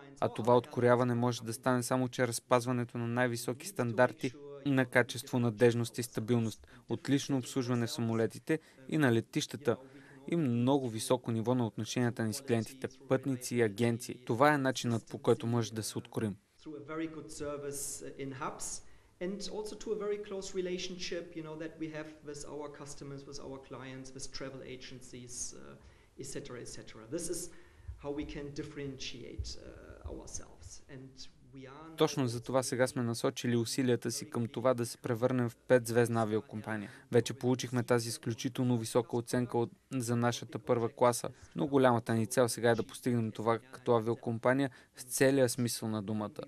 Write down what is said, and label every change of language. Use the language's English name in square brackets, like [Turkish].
[Bulgarian] А това откоряване може да стане само чрез спазването на най-високи стандарти на качество, надежност и стабилност, отлично обслужване в самолетите и на летищата и много високо ниво на отношенията ни с клиентите, пътници и агенции. Това е начинът, по който може да се откорим. [English] Through a very good service in hubs and also to a very close relationship, you know, that we have with our customers, with our clients, with travel agencies, etc., etc. This is how we can differentiate ourselves. [Bulgarian] And точно за това сега сме насочили усилията си към това да се превърнем в 5-звездна авиокомпания. Вече получихме тази изключително висока оценка за нашата първа класа, но голямата ни цел сега е да постигнем това като авиокомпания с целия смисъл на думата.